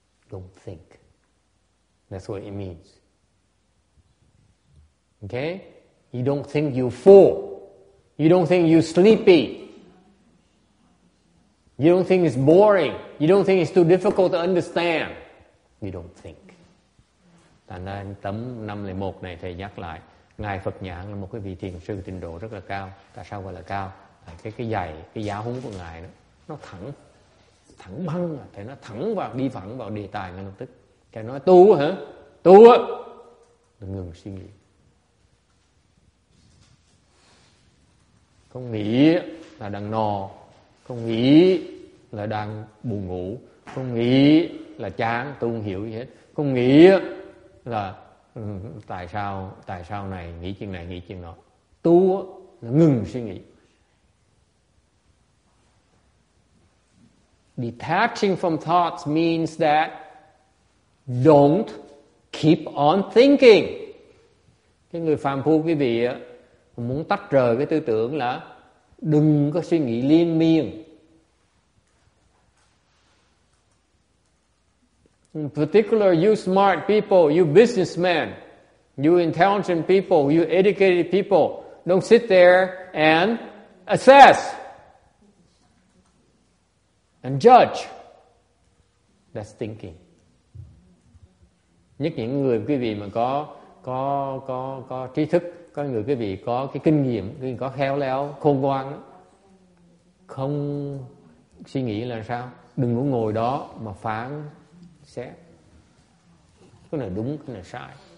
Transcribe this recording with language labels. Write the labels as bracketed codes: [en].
[en] Don't think. That's what it means. Okay? You don't think you fool. You don't think you sleepy. You don't think it's boring. You don't think it's too difficult to understand. You don't think. [vi] Tại nên tấm 501 này thầy nhắc lại, ngài Phật Nhãn là một cái vị thiền sư trình độ rất là cao. Tại sao gọi là cao? Tại cái dạy, cái giáo huấn của ngài đó, nó thẳng, thẳng băng, thì nó thẳng vào, đi thẳng vào đề tài ngay lập tức. Cái nói tu hả? Tu á, nó ngừng suy nghĩ. Không nghĩ là đang no, không nghĩ là đang buồn ngủ, không nghĩ là chán, tu không hiểu gì hết. Không nghĩ là tại sao này, nghĩ chuyện này, nghĩ chuyện đó. Tu là ngừng suy nghĩ. [en] Detaching from thoughts means that don't keep on thinking. [vi] Cái người phàm phu quý vị muốn tách rời cái tư tưởng là đừng có suy nghĩ liên miên. [en] In particular, you smart people, you businessmen, you intelligent people, you educated people, don't sit there and assess and judge. That's thinking. [vi] Nhất những người quý vị mà có trí thức, có người quý vị có cái kinh nghiệm, quý vị có khéo léo, khôn ngoan, không suy nghĩ là sao? Đừng có ngồi đó mà phán xét. Cái này đúng, cái này sai.